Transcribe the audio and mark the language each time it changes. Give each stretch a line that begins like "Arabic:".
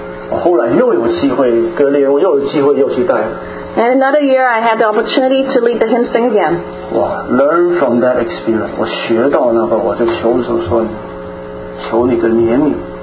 Chinese: 我后来又有机会，隔年我又有机会又去带。
English: And another year, I had the opportunity to lead the hymn sing again. 哇, learn from that experience.
Chinese: 我学到那个，我就求主说，求你的怜悯。